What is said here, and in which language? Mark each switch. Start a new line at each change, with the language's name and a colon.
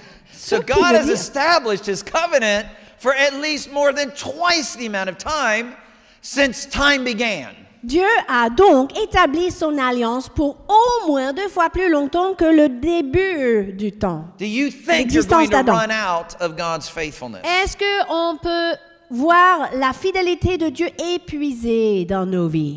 English: So God has established his covenant for at least more than twice the amount of time since time began.
French: Dieu a donc établi son alliance pour au moins deux fois plus longtemps que le début du temps.
English: Do you think you're going to run out of God's faithfulness?
French: Est-ce que on peut voir la fidélité de Dieu épuisée dans nos vies?